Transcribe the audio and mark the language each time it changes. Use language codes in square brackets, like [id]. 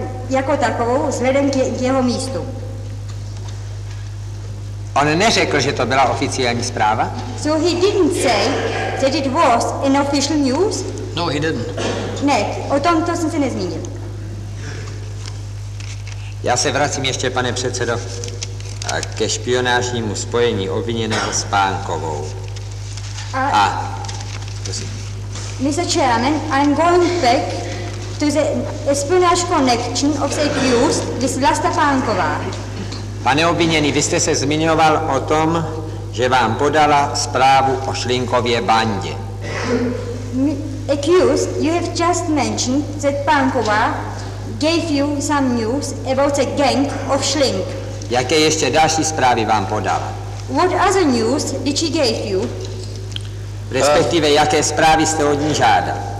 [cs] jako takovou vzhledem k jeho místu. On neřekl, že to byla oficiální zpráva? [en] So he didn't say that it was an official news? No, he didn't. [cs] Ne, o tom to jsem se nezmínil. Já se vracím ještě, pane předsedo, ke špionážnímu spojení obviněného s Pánkovou. [en] A Mr. Chairman, I'm going back to the espionage connection of the accused with Vlasta Pánková. [cs] Pane obviněný, vy jste se zmiňoval o tom, že vám podala zprávu o Šlinkově bandě. [en] Accused, you have just mentioned that Pánková gave you some news about the gang of Šlink. [cs] Jaké ještě další zprávy vám podala? [en] What other news did she give you? [cs] Respektive, jaké zprávy jste od ní žádal?